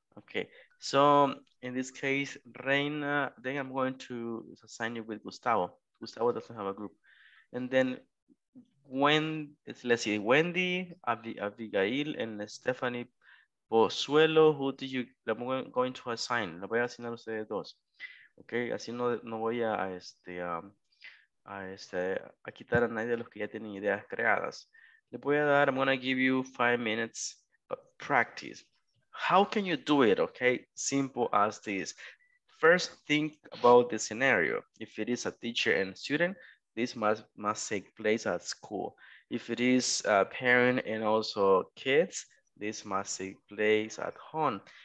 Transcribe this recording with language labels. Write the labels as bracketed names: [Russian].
[English] Okay, so in this case, Reina, then I'm going to assign you with Gustavo. Gustavo doesn't have a group. And then Wendy, Abigail, and Stephanie Pozuelo, who do you, I'm going to assign. [Spanish] La voy a asignar a ustedes dos. Okay, así no voy a a quitar a nadie de los que ya tienen ideas creadas. Le voy a dar, [English] I'm going to give you 5 minutes practice. How can you do it? Okay, simple as this. First, think about the scenario. If it is a teacher and student, this must take place at school. If it is a parent and also kids, this must take place at home.